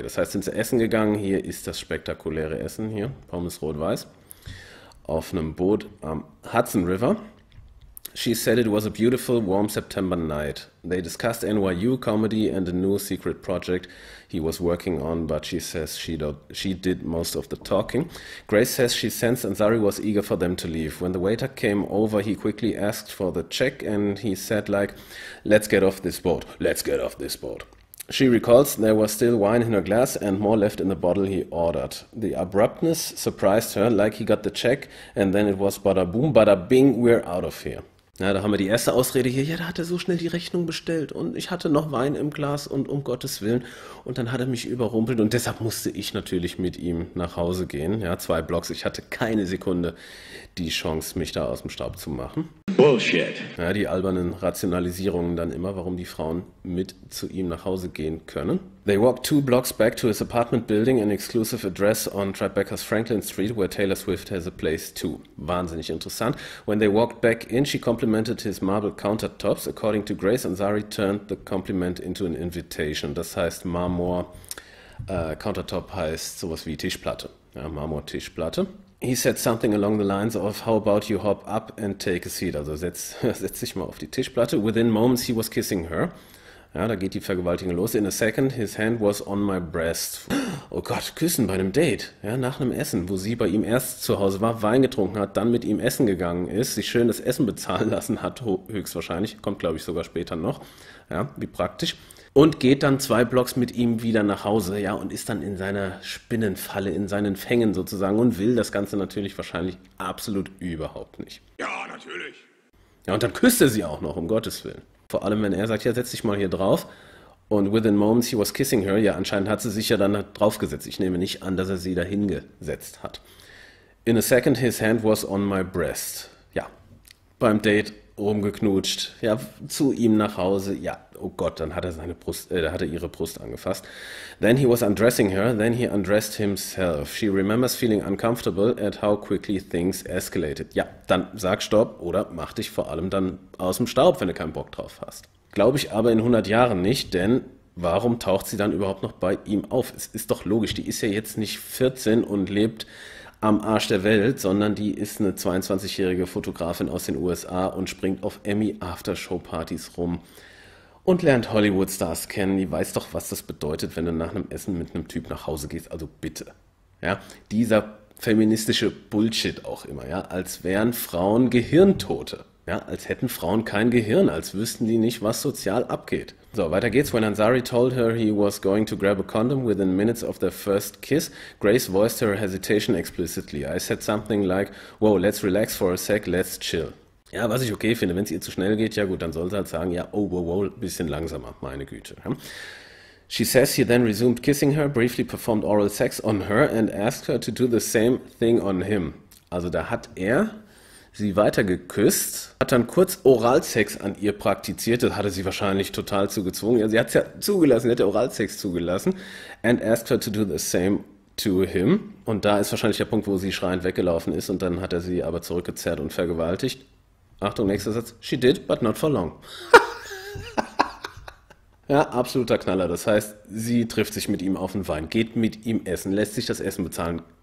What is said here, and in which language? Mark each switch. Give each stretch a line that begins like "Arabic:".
German: Das heißt, sind sie essen gegangen, hier ist das spektakuläre Essen hier, Pommes rot-weiß, auf einem Boot am Hudson River.
English: She said it was a beautiful, warm September night. They discussed NYU comedy and a new secret project he was working on, but she says she did most of the talking. Grace says she sensed Ansari was eager for them to leave. When the waiter came over, he quickly asked for the check and he said, like, let's get off this boat. Let's get off this boat. She recalls there was still wine in her glass and more left in the bottle he ordered. The abruptness surprised her, like he got the check and then it was bada boom, bada bing, we're out of here.
German: Ja, da haben wir die erste Ausrede hier. Ja, da hat er so schnell die Rechnung bestellt und ich hatte noch Wein im Glas und um Gottes Willen. Und dann hat er mich überrumpelt und deshalb musste ich natürlich mit ihm nach Hause gehen. Ja, zwei Blocks. Ich hatte keine Sekunde die Chance, mich da aus dem Staub zu machen. Bullshit. Ja, die albernen Rationalisierungen dann immer, warum die Frauen mit zu ihm nach Hause gehen können.
English: They walked two blocks back to his apartment building, an exclusive address on Tribeca's Franklin Street, where Taylor Swift has a place too.
German: Wahnsinnig interessant.
English: When they walked back in, she complimented his marble countertops. According to Grace, Ansari turned the compliment into an invitation.
German: Das heißt, Marmor, Countertop heißt sowas wie Tischplatte. Ja, Marmortischplatte.
English: He said something along the lines of, how about you hop up and take a seat?
German: Also setz dich mal auf die Tischplatte.
English: Within moments he was kissing her.
German: Ja, da geht die Vergewaltigung los.
English: In a second his hand was on my breast.
German: Oh Gott, küssen bei einem Date. Ja, nach einem Essen, wo sie bei ihm erst zu Hause war, Wein getrunken hat, dann mit ihm essen gegangen ist, sich schön das Essen bezahlen lassen hat, höchstwahrscheinlich. Kommt, glaube ich, sogar später noch. Ja, wie praktisch. Und geht dann zwei Blocks mit ihm wieder nach Hause, ja, und ist dann in seiner Spinnenfalle, in seinen Fängen sozusagen und will das Ganze natürlich wahrscheinlich absolut überhaupt nicht. Ja, natürlich. Ja, und dann küsst er sie auch noch, um Gottes Willen. Vor allem, wenn er sagt, ja, setz dich mal hier drauf. Und
English: within moments he was kissing her,
German: ja, anscheinend hat sie sich ja dann draufgesetzt. Ich nehme nicht an, dass er sie da hingesetzt hat.
English: In a second his hand was on my breast.
German: Ja, beim Date rumgeknutscht, ja, zu ihm nach Hause. Ja, oh Gott, dann hat er seine Brust, hat er ihre Brust angefasst.
English: Then he was undressing her, then he undressed himself. She remembers feeling uncomfortable at how quickly things escalated.
German: Ja, dann sag Stopp oder mach dich vor allem dann aus dem Staub, wenn du keinen Bock drauf hast. Glaube ich aber in 100 Jahren nicht, denn warum taucht sie dann überhaupt noch bei ihm auf? Es ist doch logisch, die ist ja jetzt nicht 14 und lebt am Arsch der Welt, sondern die ist eine 22-jährige Fotografin aus den USA und springt auf Emmy-Aftershow-Partys rum und lernt Hollywood-Stars kennen. Die weiß doch, was das bedeutet, wenn du nach einem Essen mit einem Typ nach Hause gehst. Also bitte. Ja, dieser feministische Bullshit auch immer, ja, als wären Frauen Gehirntote. Ja, als hätten Frauen kein Gehirn, als wüssten die nicht, was sozial abgeht. So, weiter geht's.
English: When Ansari told her he was going to grab a condom within minutes of their first kiss, Grace voiced her hesitation explicitly. I said something like, wow, let's relax for a sec, let's chill.
German: Ja, was ich okay finde, wenn es ihr zu schnell geht, ja gut, dann soll sie halt sagen, ja, oh, wow, ein bisschen langsamer, meine Güte.
English: She says he then resumed kissing her, briefly performed oral sex on her and asked her to do the same thing on him.
German: Also da hat er sie weiter geküsst, hat dann kurz Oralsex an ihr praktiziert, das hatte sie wahrscheinlich total zu gezwungen. Ja, sie hat es ja zugelassen, sie hat ja Oralsex zugelassen.
English: And asked her to do the same to him.
German: Und da ist wahrscheinlich der Punkt, wo sie schreiend weggelaufen ist und dann hat er sie aber zurückgezerrt und vergewaltigt. Achtung, nächster Satz.
English: She did, but not for long.
German: Ja, absoluter Knaller. Das heißt, sie trifft sich mit ihm auf den Wein, geht mit ihm essen, lässt sich das Essen bezahlen.